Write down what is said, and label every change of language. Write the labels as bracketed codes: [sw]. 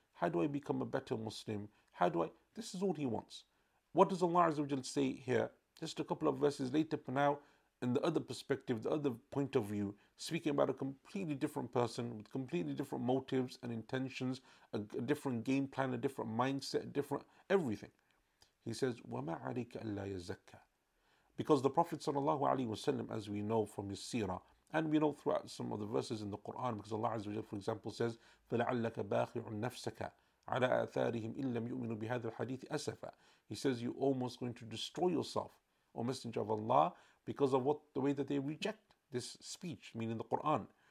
[en] How do I become a better Muslim? This is all he wants. What does Allah Azza wa Jal say here? Just a couple of verses later, but now in the other perspective, the other point of view, speaking about a completely different person with completely different motives and intentions, a different game plan, a different mindset, different everything. He says, [ar] وَمَا عَلَيْكَ أَلَّا يَزَّكَّى. [en] Because the Prophet ﷺ, as we know from his seerah, and we know throughout some of the verses in the Quran, because Allah Azza wa Jal, for example, says, [ar] فَلَعَلَّكَ بَاخِعٌ نَفْسَكَ عَلَىٰ أَثَارِهِمْ إِن لَّمْ يُؤْمِنُوا بِهَذَا الْحَدِيثِ أَسَفًا. [en] He says, you're almost going to destroy yourself, O Messenger of Allah, because of the way that they reject this speech, meaning the Quran.